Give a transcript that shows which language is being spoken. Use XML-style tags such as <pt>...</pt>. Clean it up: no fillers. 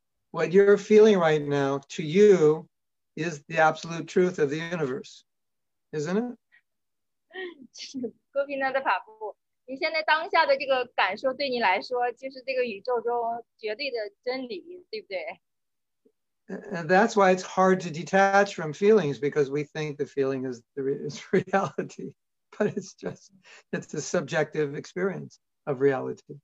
<en>what you're feeling right now to you is the absolute truth of the universe, isn't it?</en> <zh>Gopinath的法布，你现在当下的这个感受对你来说就是这个宇宙中绝对的真理，对不对？</zh> <en>And that's why it's hard to detach from feelings because we think the feeling is reality, but it's a subjective experience of reality.</en>